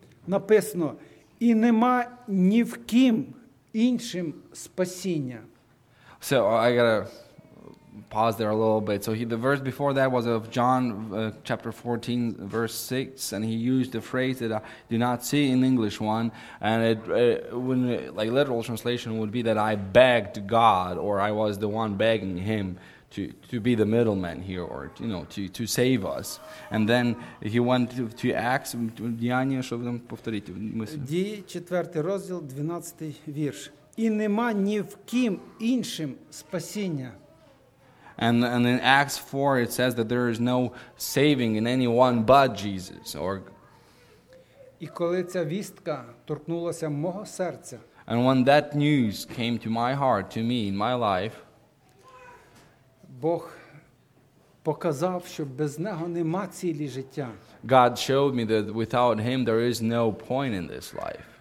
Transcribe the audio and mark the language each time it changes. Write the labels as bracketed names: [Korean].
[Ukrainian] Написано, і нема ні в ким іншим спасіння. [English] So I gotta pause there a little bit. So the verse before that was of John chapter 14 verse 6, and he used a phrase that I do not see in English one, and it literal translation would be that I begged God, or I was the one begging him to be the middleman here, or you know, to save us. And then he went to Acts, [Ukrainian] Діяння, щоб там повторити. Дії, 4 розділ, 12 вірш. І нема ні в ким іншим спасіння. [English] And in Acts 4 it says that there is no saving in anyone but Jesus. Or [Ukrainian] і коли ця вістка торкнулася мого серця. [English] And when that news came to my heart, to me, in my life, [Ukrainian] Бог показав, що без нього нема цілі життя. [English] God showed me that without him there is no point in this life.